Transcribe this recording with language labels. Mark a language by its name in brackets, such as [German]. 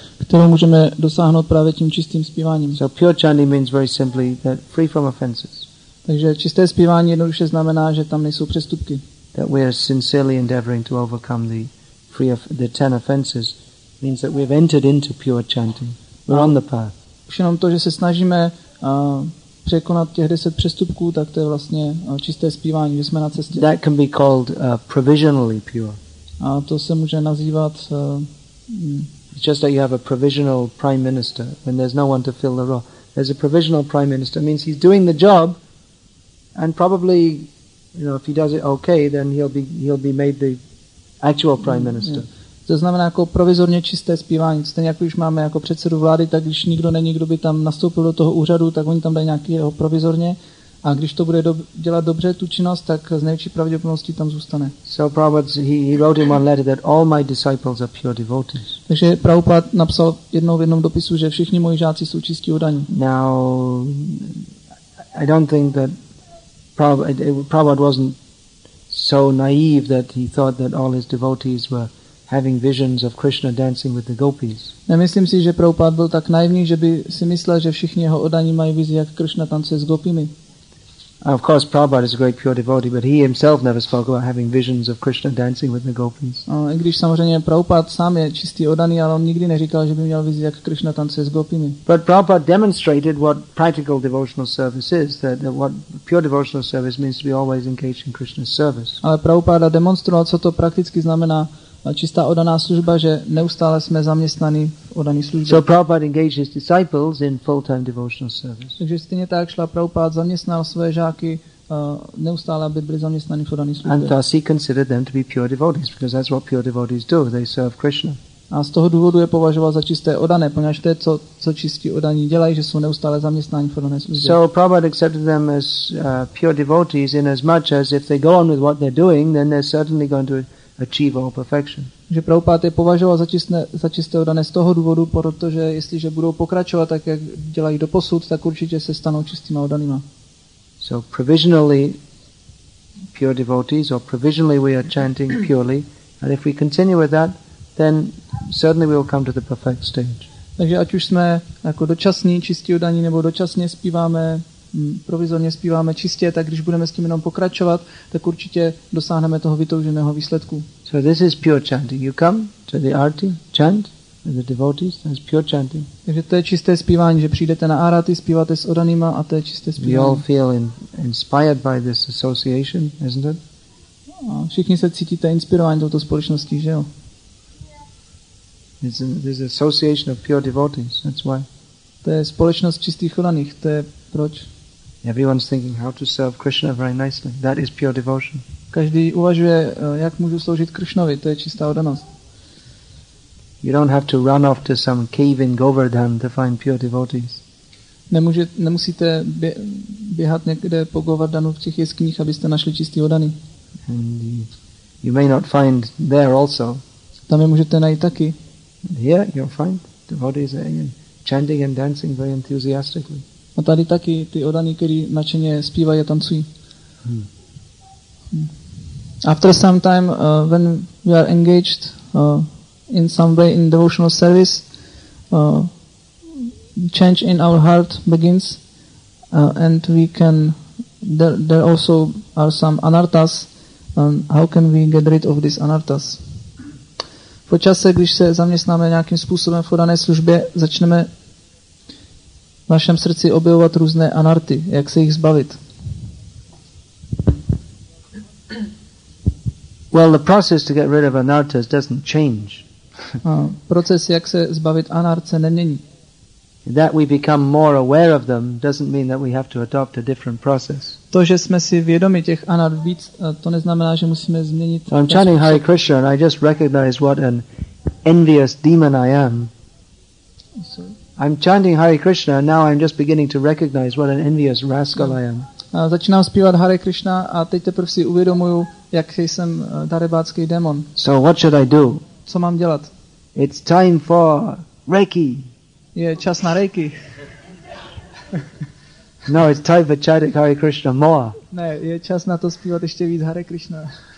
[Czech] Kterou můžeme dosáhnout právě tím čistým zpíváním. [English] So pure chanting means very simply that free from offenses. [Czech] Takže čisté zpívání jednoduše znamená, že tam nejsou přestupky. [English] That we are sincerely endeavoring to overcome the free of the ten offenses means that we've entered into pure chanting. We're on the path. [Czech] Už jenom to, že se snažíme překonat těch 10 přestupků, tak to je vlastně čisté zpívání, že jsme na cestě. [English] That can be called provisionally pure. [Czech] A to se může nazývat [English] It's just that you have a provisional prime minister when there's no one to fill the role. There's a provisional prime minister means he's doing the job and probably, you know, if he does it okay, then he'll be made the actual prime minister. [Czech] To znamená jako provizorně čisté zpívání. Stejně jako už máme jako předsedu vlády, tak když nikdo není, kdo by tam nastoupil do toho úřadu, tak oni tam dají nějakého provizorně. A když to bude dělat dobře tu činnost, tak z největší pravděpodobností tam zůstane. [English] So Prabhupada, he wrote in one letter that all my disciples are pure devotees. [Czech] Takže Prabhupada napsal jednou v jednom dopisu, že všichni moji žáci jsou čistí oddaní. [English] Now, I don't think that Prabhupada wasn't so naive that he thought that all his devotees were having visions of Krishna dancing with the gopis. [Czech] Nemyslím si, že Prabhupada byl tak naivní, že by si myslel, že všichni jeho oddaní mají vizi, jak Krishna tancuje s gopimi. [English] Of course, Prabhupada is a great pure devotee, but he himself never spoke about having visions of Krishna dancing with the gopis. [Czech] I když samozřejmě Prabhupada sám je čistý oddaný, ale on nikdy neříkal, že by měl vizi, jak Krishna tancuje s gopimi. [English] But Prabhupada demonstrated what practical devotional service is, that what pure devotional service means to be always engaged in Krishna's service. [Czech] Ale Prabhupada demonstroval, co to prakticky znamená čistá oddaná služba, že neustále jsme zaměstnaní v oddaný službě. [English] So Prabhupada engaged his disciples in full-time devotional service. [Czech] Takže stejně tak šla Prabhupada zaměstnal své žáky neustále, aby byli zaměstnaní v oddaný službě. [English] And thus he considered them to be pure devotees, because that's what pure devotees do, they serve Krishna. [Czech] A z toho důvodu je považoval za čisté oddané, poněvadž to je, co čistí oddaní dělají, že jsou neustále zaměstnáni v oddané službě. [English] So Prabhupada accepted them as pure devotees in as much as if they go on with what they're doing, then they're certainly going to achieve all perfection. [Czech] Že Prabhupada je považoval za čisté oddané z toho důvodu, protože jestliže budou pokračovat tak, jak dělají doposud, tak určitě se stanou čistými oddanými. [English] So provisionally pure devotees, or provisionally we are chanting purely, and if we continue with that, then certainly we will come to the perfect stage. [Czech] Takže ať už jsme jako dočasní čistí oddaní, nebo dočasně zpíváme, provizorně zpíváme čistě, tak když budeme s tím jenom pokračovat, tak určitě dosáhneme toho vytouženého výsledku. [English] So this is pure chanting. You come to the arati, chant with the devotees, that's pure chanting. [Czech] Takže to je čisté zpívání, že přijdete na arati, zpíváte s oddanýma a to je čisté zpívání. [English] We all feel inspired by this association, isn't it? [Czech] A všichni se cítíte inspirováni touto společností, že jo? [English] This is an association of pure devotees, that's why. [Czech] To je společnost čistých oddaných, to je proč? [English] Everyone's thinking how to serve Krishna very nicely. That is pure devotion. [Czech] Každý uvažuje, jak můžu sloužit Krishnovi, to je čistá oddanost. [English] You don't have to run off to some cave in Govardhan to find pure devotees. [Czech] Nemusíte běhat někde po Govardhanu v těch jeskyních, abyste našli čistý oddaný. [English] And you may not find there also. [Czech] Tam je můžete najít taky. [English] Here you'll find devotees are chanting and dancing very enthusiastically. [Czech] A tady taky ty oddaní, kteří nadšeně zpívají a tancují. [English] After some time, when we are engaged in some way in devotional service, change in our heart begins, and we can, there also are some anartas. How can we get rid of these anartas? [Czech] Po čase, když se zaměstnáme nějakým způsobem v oddané službě, začneme v našem srdci objevovat různé anarty, jak se jich zbavit. [English] Well, the process to get rid of anartas doesn't change. [Czech] Proces, jak se zbavit anartce, nemění. [English] That we become more aware of them doesn't mean that we have to adopt a different process. [Czech] To, že jsme si vědomi těch anart víc, to neznamená, že musíme změnit. [English] I'm chanting Hare Krishna and I just recognize what an envious demon I am. I'm chanting Hare Krishna and now I'm just beginning to recognize what an envious rascal I am. [Czech] Začínám zpívat Hare Krishna a teď teprve si uvědomuju, jak jsem darebácký demon. [English] So what should I do? [Czech] Co mám dělat? [English] It's time for Reiki. [Czech] Je čas na Reiki. [English] No, it's time for chanting Hare Krishna more. [Czech] Ne, je čas na to zpívat ještě víc Hare Krishna.